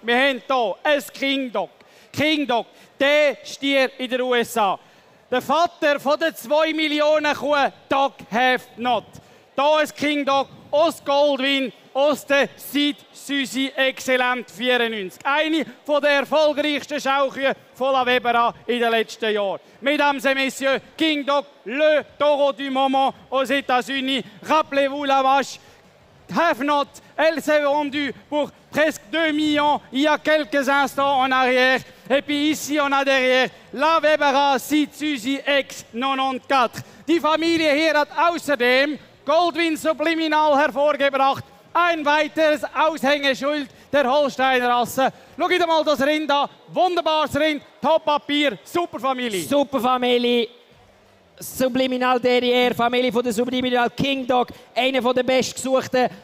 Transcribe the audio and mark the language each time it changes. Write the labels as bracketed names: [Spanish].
[German] Wir haben hier ein King Dog. King Dog, der Stier in den USA. Der Vater von der 2 Millionen Kuh, Dog Have Not. Hier ein King Dog aus Goldwyn, aus der Seed Suzy Excellent 94. Eine der erfolgreichsten Schaukühe von La Webera in den letzten Jahren. [French] Mesdames et Messieurs, King Dog, le taureau du moment aux États-Unis. Rappelez-vous la vache, Have Not, elle s'est vendue pour presque 2 millions il y a quelques instants en arrière. Et puis ici, on a derrière La Webera Seed Suzy X94. [German] Die Familie hier hat außerdem Goldwyn Subliminal hervorgebracht. Ein weiteres Aushängeschild der Holsteinrasse. Schau dir mal das Rind an. Wunderbares Rind, Top-Papier, Superfamilie. Superfamilie, Subliminal Derrière, Familie von der Subliminal King Dog, einer der bestgesuchten